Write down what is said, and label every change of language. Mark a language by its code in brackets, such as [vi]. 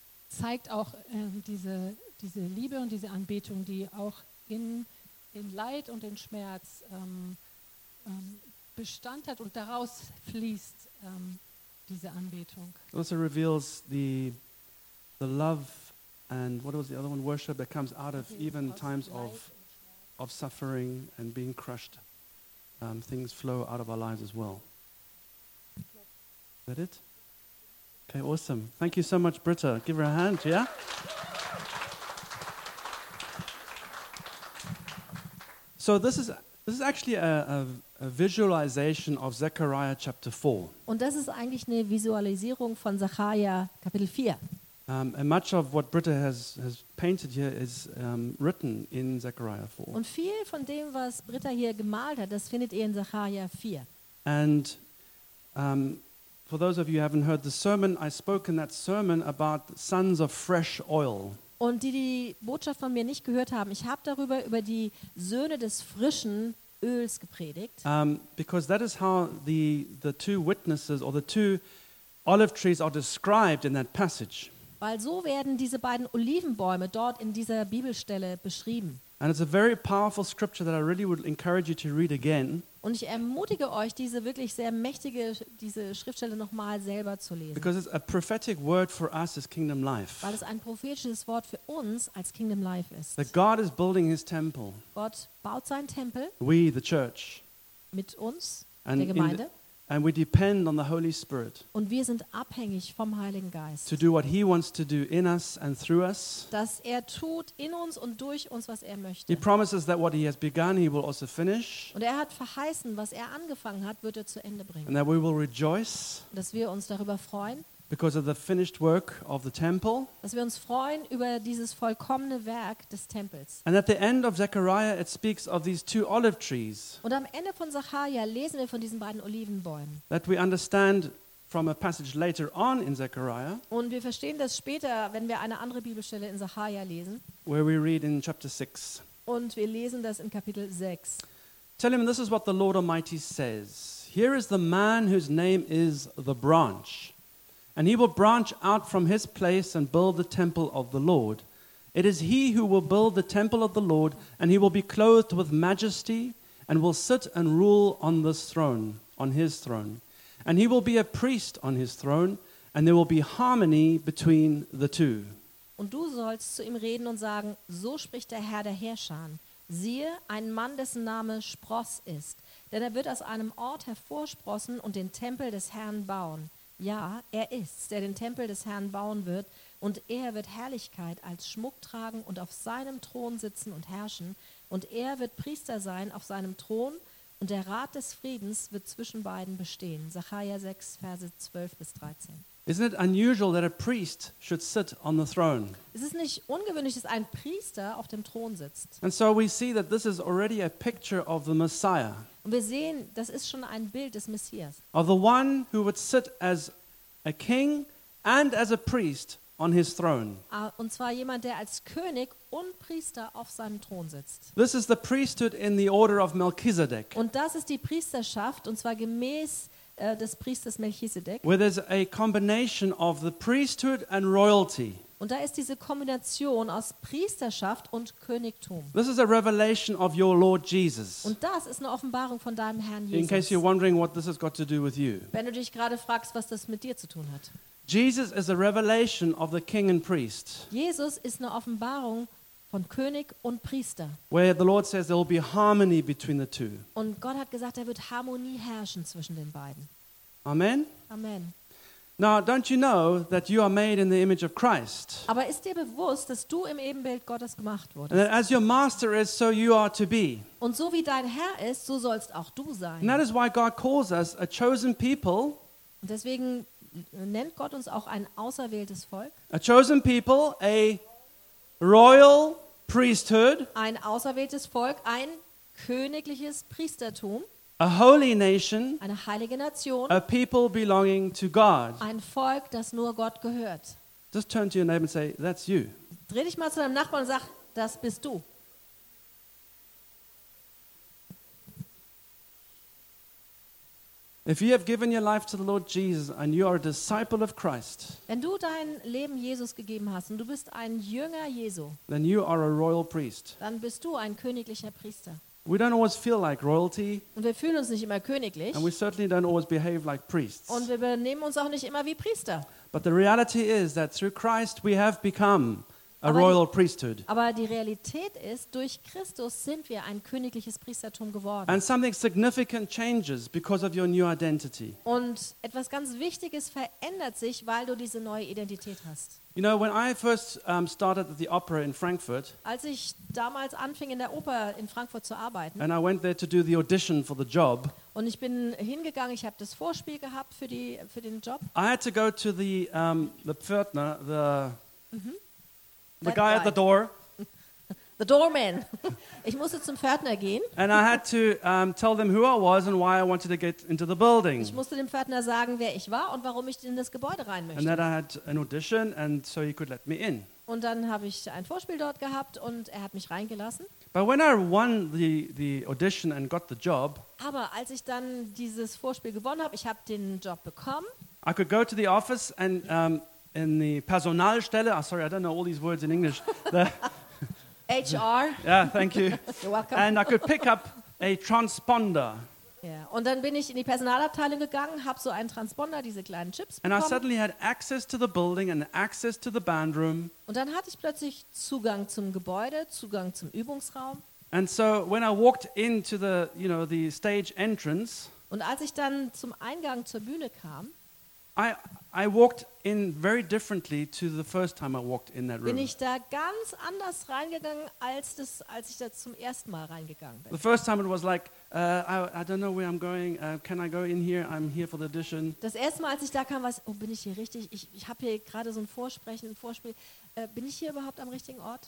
[de] Zeigt auch diese Liebe und diese Anbetung, die auch in Leid und in Schmerz Bestand hat und daraus fließt diese Anbetung. [en] It also reveals the love and what was the other one, worship that comes out of even times of suffering and being crushed. Things flow out of our lives as well. Is that it? Okay, awesome. Thank you so much, Britta. Give her a hand, yeah? So this is actually a visualization of Zechariah chapter 4. [de] Und das ist eigentlich eine Visualisierung von Zechariah Kapitel 4. [en] And much of what Britta has painted here is written in Zechariah 4. [de] Und viel von dem, was Britta hier gemalt hat, das findet ihr in Zechariah 4. [en] And for those of you who haven't heard the sermon, I spoke in that sermon about sons of fresh oil. [de] Und die Botschaft von mir nicht gehört haben, ich habe darüber über die Söhne des frischen Öls gepredigt. [en] Because that is how the two witnesses or the two olive trees are described in that passage. [de] Weil so werden diese beiden Olivenbäume dort in dieser Bibelstelle beschrieben. [en] And it's a very powerful scripture that I really would encourage you to read again. [de] Und ich ermutige euch, diese wirklich sehr mächtige diese Schriftstelle nochmal selber zu lesen. [en] Because it's a prophetic word for us as Kingdom Life. [de] Weil es ein prophetisches Wort für uns als Kingdom Life ist. [en] That God is building His temple. [de] Gott baut sein Tempel. [en] We the church. [de] Mit uns, and der Gemeinde. [en] In And we depend on the Holy Spirit. [de] Und wir sind abhängig vom Heiligen Geist. [en] To do what he wants to do in us and through us. [de] Dass er tut in uns und durch uns, was er möchte. [en] He promises that what he has begun, he will also finish. [de] Und er hat verheißen, was er angefangen hat, wird er zu Ende bringen. [en] And that we will rejoice. [de] Dass wir uns darüber freuen. [en] Because of the finished work of the temple. [de] Dass wir uns freuen über dieses vollkommene Werk des Tempels. [en] And at the end of Zechariah it speaks of these two olive trees. [de] Und am Ende von Zechariah lesen wir von diesen beiden Olivenbäumen. [en] That we understand from a passage later on in Zechariah. [de] Und wir verstehen das später, wenn wir eine andere Bibelstelle in Zechariah lesen. [en] Where we read in chapter 6. [de] Und wir lesen das in Kapitel 6. [en] Tell him this is what the Lord Almighty says. Here is the man whose name is the branch. And he will branch out from his place and build the temple of the Lord. It is he who will build the temple of the Lord, and he will be clothed with majesty and will sit and rule on this throne, on his throne. And he will be a priest on his throne, and there will be harmony between the two. [de] Und du sollst zu ihm reden und sagen, so spricht der Herr der Herrscher. Siehe, ein Mann, dessen Name Spross ist, denn er wird aus einem Ort hervorsprossen und den Tempel des Herrn bauen. Ja, er ist's, der den Tempel des Herrn bauen wird, und er wird Herrlichkeit als Schmuck tragen und auf seinem Thron sitzen und herrschen, und er wird Priester sein auf seinem Thron, und der Rat des Friedens wird zwischen beiden bestehen. Zechariah 6, Verse 12 bis 13. [en] Isn't it unusual that a priest should sit on the throne? [de] Es ist nicht ungewöhnlich, dass ein Priester auf dem Thron sitzt. [en] And so we see that this is already a picture of the Messiah. [de] Und wir sehen, das ist schon ein Bild des Messias. [en] Of the one who would sit as a king and as a priest on his throne. [de] Und zwar jemand, der als König und Priester auf seinem Thron sitzt. [en] This is the priesthood in the order of Melchizedek. [de] Und das ist die Priesterschaft, und zwar gemäß des Priesters Melchisedek. [en] Where there's a combination of the priesthood and royalty. [de] Und da ist diese Kombination aus Priesterschaft und Königtum. [en] This is a revelation of your Lord Jesus. [de] Und das ist eine Offenbarung von deinem Herrn Jesus. [en] In case you're wondering what this has got to do with you. [de] Wenn du dich gerade fragst, was das mit dir zu tun hat. [en] Jesus is a revelation of the king and priest. [de] Jesus ist eine Offenbarung von König und Priester. [en] Where the Lord says there will be harmony between the two. [de] Und Gott hat gesagt, er wird Harmonie herrschen zwischen den beiden. Amen. Amen. [en] Now, don't you know that you are made in the image of Christ? [de] Aber ist dir bewusst, dass du im Ebenbild Gottes gemacht wurdest? [en] And that as your master is, so you are to be. [de] Und so wie dein Herr ist, so sollst auch du sein. [en] And that is why God calls us a chosen people. [de] Und deswegen nennt Gott uns auch ein auserwähltes Volk. [en] A chosen people, a royal priesthood. [de] Ein auserwähltes Volk, ein königliches Priestertum. [en] A holy nation, [de] eine heilige Nation, [en] a people belonging to God. [de] Ein Volk, das nur Gott gehört. [en] Just turn to your neighbor and say, that's you. [de] Dreh dich mal zu deinem Nachbarn und sag, das bist du. [en] If you have given your life to the Lord Jesus and you are a disciple of Christ, [de] wenn du dein Leben Jesus gegeben hast und du bist ein Jünger Jesu, [en] then you are a royal priest. [de] Dann bist du ein königlicher Priester. [en] We don't always feel like royalty. [de] Und wir fühlen uns nicht immer königlich. [en] And we certainly don't always behave like priests. [de] Und wir benehmen uns auch nicht immer wie Priester. [en] But the reality is that through Christ we have become a royal priesthood. [de] Aber die Realität ist, durch Christus sind wir ein königliches Priestertum geworden. [en] And something significant changes because of your new identity. [de] Und etwas ganz Wichtiges verändert sich, weil du diese neue Identität hast. [en] You know, when I first started at the opera in Frankfurt. [de] Als ich damals anfing in der Oper in Frankfurt zu arbeiten. [en] And I went there to do the audition for the job. [de] Und ich bin hingegangen, ich habe das Vorspiel gehabt für den Job. [en] I had to go to the [de] Pförtner, [en] the the guy at the door. The doorman. [de] Ich musste zum Pförtner gehen. [en] And I had to tell them who I was and why I wanted to get into the building. [de] Ich musste dem Pförtner sagen, wer ich war und warum ich in das Gebäude rein möchte. [en] And then I had an audition and so he could let me in. [de] Und dann habe ich ein Vorspiel dort gehabt und er hat mich reingelassen. [en] But when I won the audition and got the job. [de] Aber als ich dann dieses Vorspiel gewonnen habe, ich habe den Job bekommen. [en] I could go to the office and in the [de] Personalstelle. [en] Oh, sorry, I don't know all these words in English. HR. Yeah, thank you. You're welcome. And I could pick up a transponder. Yeah. [de] Und dann bin ich in die Personalabteilung gegangen, habe so einen Transponder, diese kleinen Chips bekommen. [en] And I suddenly had access to the building and access to the bandroom. [de] Und dann hatte ich plötzlich Zugang zum Gebäude, Zugang zum Übungsraum. [en] And so when I walked into the, you know, the stage entrance. [de] Und als ich dann zum Eingang zur Bühne kam, [en] I walked in very differently to the first time I walked in that room. [de] Bin ich da ganz anders reingegangen als ich da zum ersten Mal reingegangen bin. [en] The first time it was like I don't know where I'm going. Can I go in here? I'm here for the audition. [de] Das erste Mal, als ich da kam, war es, oh, bin ich hier richtig? Ich habe hier gerade so ein Vorsprechen, ein Vorspiel. Bin ich hier überhaupt am richtigen Ort?